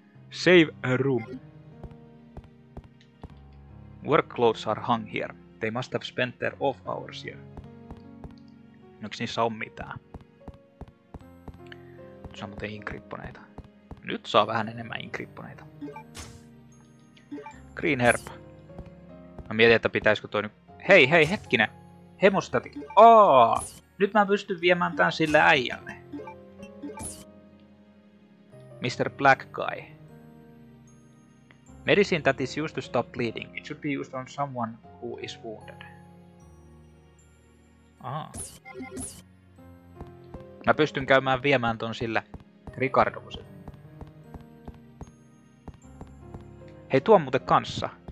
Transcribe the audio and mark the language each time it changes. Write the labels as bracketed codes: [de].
[en] Save a room. Work clothes are hung here. they must have spent their off hours here. [fi] Onks niissä on mitään? Nyt saa muuten inkripponeita. Nyt saa vähän enemmän inkripponeita. Green herb. Mä mietin, että pitäisikö toi nyt... Hei, hei, hetkinen! Hemostati! Aaaa! Nyt mä pystyn viemään tän sille äijälle. [en] Mr. Black Guy. Medicine that is used to stop bleeding. It should be used on someone who is wounded. Aha. [fi] Mä pystyn käymään viemään ton sille Ricardoselle. Hei, tuo on muuten kanssa.